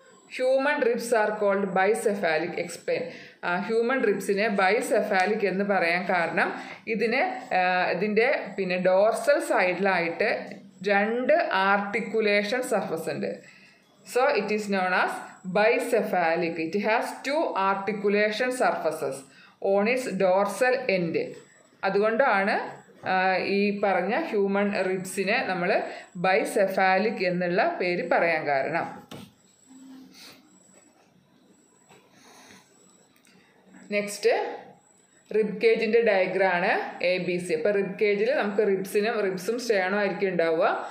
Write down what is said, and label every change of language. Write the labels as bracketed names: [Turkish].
[English] human ribs are called bicephalic explain [Malayalam] human റിബ്സിനെ ബൈസെഫാലിക് എന്ന് പറയാൻ കാരണം ഇതിന് ഇതിൻ്റെ പിന്നെ ഡോർസൽ സൈഡിലായിട്ട് രണ്ട് ആർട്ടിക്കുലേഷൻ സർഫസ് ഉണ്ട് [English] So it is known as bicephalic. It has two articulation surfaces on its dorsal end. [Malayalam] അതുകൊണ്ടാണ് ഈ പറഞ്ഞ ഹ്യൂമൻ റിബ്സിനെ നമ്മൾ ബൈസെഫാലിക് എന്നുള്ള പേര് പറയാൻ കാരണം next rib കേജിൻ്റെ ഡയഗ്രാണ് A B C അപ്പോൾ റിബ് കേജിൽ നമുക്ക് റിബ്സിനും റിബ്സും സ്റ്റേണമായിരിക്കും ഉണ്ടാവുക